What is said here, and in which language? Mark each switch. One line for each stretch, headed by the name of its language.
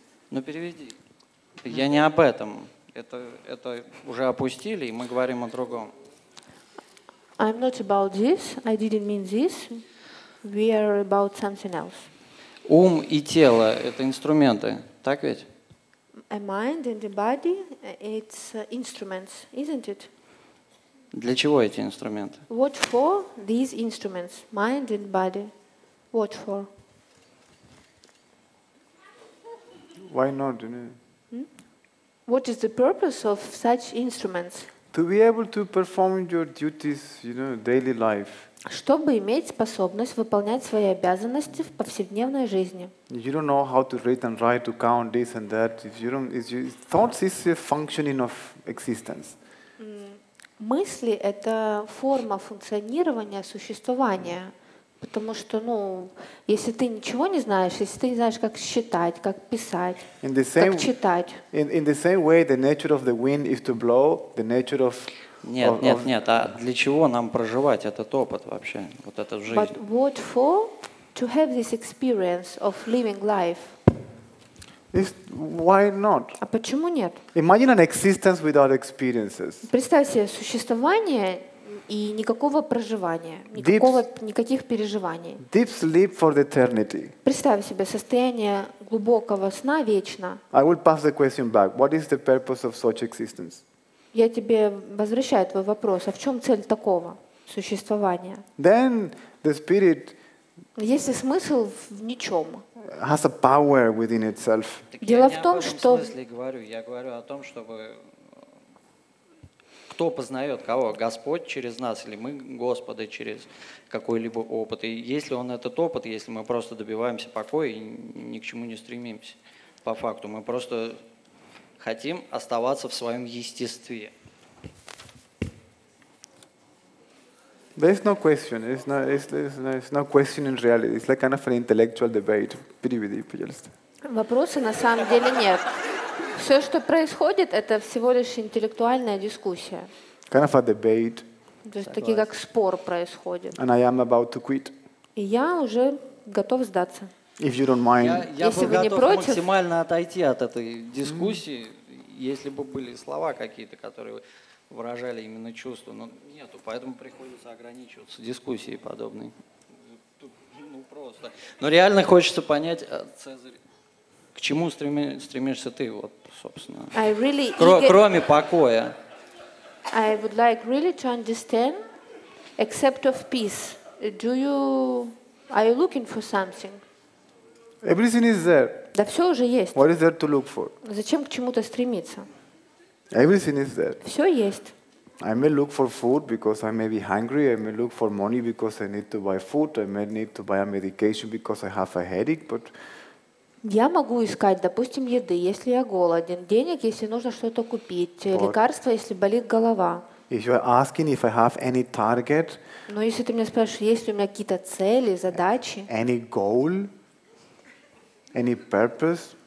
Russian: Ну переведи. Я не об этом. Это уже опустили, и мы говорим о другом.
English: I'm not about this. I didn't mean this. We are about something else.
Russian: Ум и тело — это инструменты, так ведь?
English: A mind and a body — it's instruments, isn't it?
Russian: Для чего эти инструменты?
English: What for these instruments? Mind and body. What for? Why not, you know? What is the purpose of such instruments? To be able to perform your duties, you know, daily life.
Russian: Чтобы иметь способность выполнять свои обязанности в повседневной жизни.
English: You don't know how to read and write, to count this and that. If you don't, if you, thoughts is a functioning of existence.
Russian: Мысли — это форма функционирования, существования. Потому что, ну, если ты ничего не знаешь, если ты не знаешь, как считать, как писать,
English: same,
Russian: как читать.
English: In the same way, the nature of the wind is to blow, the nature of...
Russian: Нет. А для чего нам проживать этот опыт вообще, вот эту жизнь?
English: But what for to have this experience of living life? Is why not?
Russian: А почему нет?
English: Imagine an existence without experiences.
Russian: Представь себе существование и никакого проживания, никакого,
English: deep,
Russian: никаких переживаний.
English: Deep sleep for the eternity.
Russian: Представь себе состояние глубокого сна вечно.
English: I will pass the question back. What is the purpose of such existence?
Russian: Я тебе возвращаю твой вопрос. А в чем цель такого существования?
English: Then the spirit.
Russian: Есть ли смысл в ничем?
English: Has a power within itself.
Russian: Дело в том, что. Я говорю о том, чтобы. Кто познает кого? Господь через нас или мы Господа через какой-либо опыт? И если он этот опыт, если мы просто добиваемся покоя и ни к чему не стремимся, по факту, мы просто хотим оставаться в своем естестве.
English: There's no question. It's not questioning reality. It's like kind of an intellectual debate.
Russian: Переведи, пожалуйста. Вопроса на самом деле нет. Все, что происходит, это всего лишь интеллектуальная дискуссия.
English: Kind of a debate.
Russian: То есть такие как спор происходит.
English: And I am about to quit.
Russian: И я уже готов сдаться.
English: If you don't mind.
Russian: Если вы не против. Я готов максимально отойти от этой дискуссии, если бы были слова какие-то, которые выражали именно чувства. Но нету, поэтому приходится ограничиваться дискуссией подобной. Ну просто. Но реально хочется понять, Цезарь. К чему стремишься ты, вот, собственно, кроме покоя?
English: I would like really to understand, except of peace. Do you, are you looking for something? Everything is there.
Russian: Да все уже есть.
English: What is there to look for?
Russian: Зачем к чему-то стремиться?
English: Everything is there.
Russian: Все есть.
English: I may look for food because I may be hungry. I may look for money because I need to buy food. I may need to buy a medication because I have a headache, but
Russian: Я могу искать, допустим, еды, если я голоден, денег, если нужно что-то купить, лекарства, если болит голова.
English: If you're asking if I have any target.
Russian: Но если ты меня спрашиваешь, есть ли у меня какие-то цели, задачи?
English: Any goal? Any purpose?